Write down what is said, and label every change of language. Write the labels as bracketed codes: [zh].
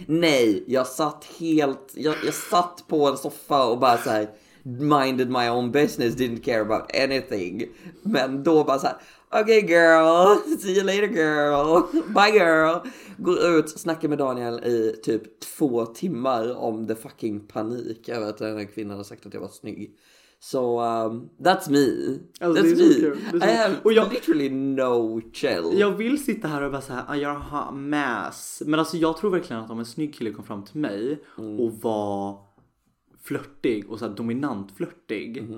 [sv] Nej, jag satt helt, jag satt på en soffa och bara så här, [en] minded my own business, didn't care about anything. [sv] Men då bara såhär, [en] okay girl, see you later girl, bye girl. [sv] Går ut, snackar med Daniel i typ 2 timmar om the fucking panik över att den här kvinnan har sagt att jag var snygg. Så [en] that's me. [sv] Alltså, [en] that's me. I have literally no chill. [sv] Jag vill sitta här och bara såhär, [en] I don't have mass. [sv] Men alltså jag tror verkligen att om en snygg kille kom fram till mig och var flörtig och så här dominant flörtig.